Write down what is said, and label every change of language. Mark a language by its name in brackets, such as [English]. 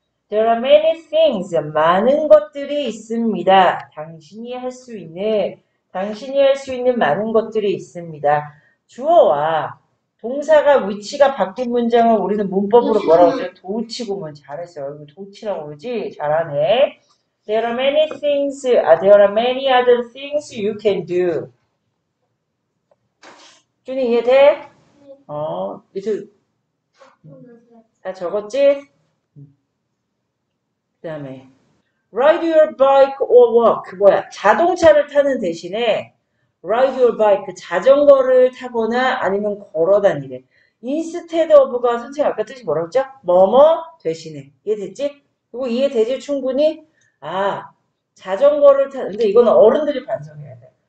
[English] There are many things. [Korean] 많은 것들이 있습니다. 당신이 할수 있는, 당신이 할수 있는 많은 것들이 있습니다. 주어와 동사가 위치가 바뀐 문장을 우리는 문법으로 뭐라고 하죠? 도우치고 문 잘했어요. 이거 도우치라고 그러지? 잘하네. [English] There are many things, there are many other things you can do. [Korean] 준이 이해돼? 이제 다 적었지? 그다음에 [English] ride your bike or walk. [Korean] 뭐야? 자동차를 타는 대신에 [English] ride your bike, [Korean] 자전거를 타거나 아니면 걸어 다니래. Instead of가 선생님 아까 뜻이 뭐라고 했죠? 뭐뭐 대신에. 이해됐지? 이거 이해되지? 충분히? 아, 자전거를 타, 근데 이건 어른들이 반성해야 돼.